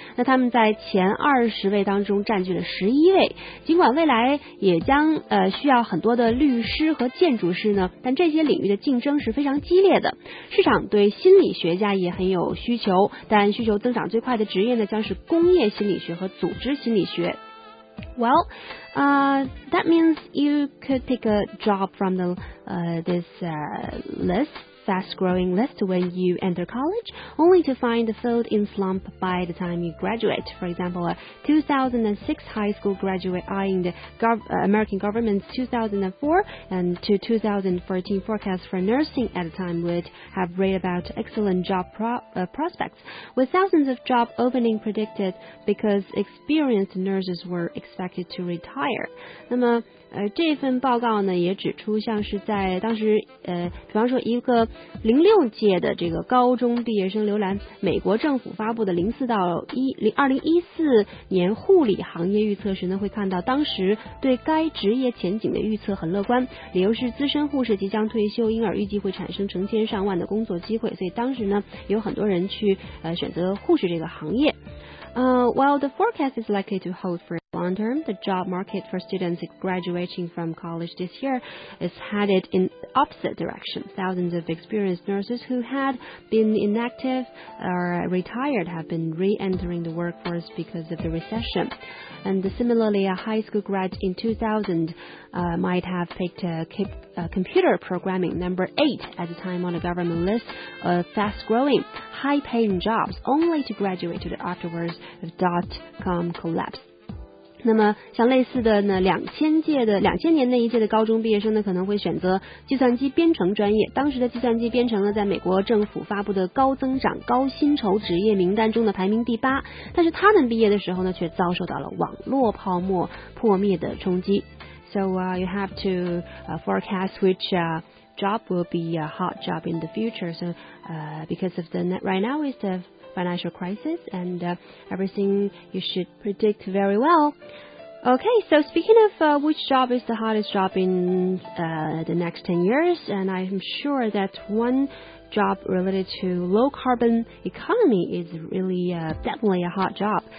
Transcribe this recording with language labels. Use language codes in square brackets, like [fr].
[zh] 那他们在前20位当中占据了11位。尽管未来也将需要很多的律师和建筑师呢，但这些领域的竞争是非常激烈的。市场对心理学家也很有需求，但需求增长最快的职业呢，将是工业心理学和组织心理学。 [en] Well, that means you could take a job from this list, fast-growing list when you enter college, only to find the field in slump by the time you graduate. For example, a 2006 high school graduate eyeing the American government's 2004 and to 2014 forecast for nursing at the time would have read about excellent job prospects, with thousands of job openings predicted because experienced nurses were expected to retire. [zh] 那么这份报告呢也指出，像是在当时比方说一个06届的这个高中毕业生浏览美国政府发布的2014年护理行业预测时呢，会看到当时对该职业前景的预测很乐观，理由是资深护士即将退休，因而预计会产生成千上万的工作机会，所以当时呢有很多人去选择护士这个行业。 [en] While the forecast is likely to hold for long term, the job market for students graduating from college this year is headed in opposite direction. Thousands of experienced nurses who had been inactive or retired have been re-entering the workforce because of the recession. And similarly, a high school grad in 2000, might have picked computer programming number 8 at the time on the government list of fast-growing, high-paying jobs, only to graduate afterwards of dot-com collapse. [zh] 那么像类似的呢，两千年那一届的高中毕业生呢，可能会选择计算机编程专业。当时的计算机编程呢，在美国政府发布的高增长高薪酬职业名单中的排名第八，但是他们毕业的时候呢，却遭受到了网络泡沫破灭的冲击。 [en] So you have to forecast which job will be a hot job in the future. So because of the right now is the financial crisis, and everything you should predict very well. Okay, so speaking of which job is the hottest job in the next 10 years, and I'm sure that one job related to low carbon economy is really definitely a hot job.